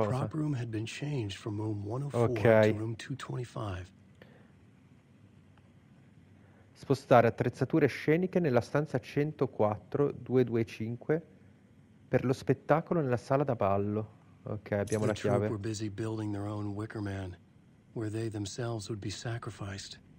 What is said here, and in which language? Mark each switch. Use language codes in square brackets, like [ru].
[en] The prop room had been changed from room 104 to room 225. [it] Spostare attrezzature sceniche nella stanza 104-225 per lo spettacolo nella sala da ballo. Ok, abbiamo la chiave. [en] Troop were busy building their own Wicker Man, where they themselves would be sacrificed.